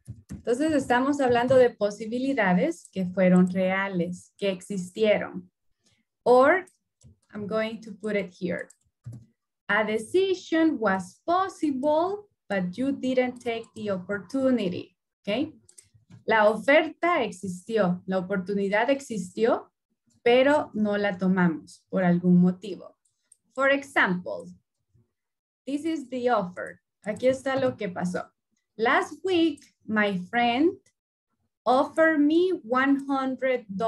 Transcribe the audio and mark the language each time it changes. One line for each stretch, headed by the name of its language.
Spanish: Entonces estamos hablando de posibilidades que fueron reales, que existieron.
English: Or I'm going to put it here. A decision was possible, but you didn't take the opportunity. Okay.
Spanish: La oferta existió, la oportunidad existió, pero no la tomamos por algún motivo.
English: For example, this is the offer.
Spanish: Aquí está lo que pasó.
English: Last week, my friend offered me $100.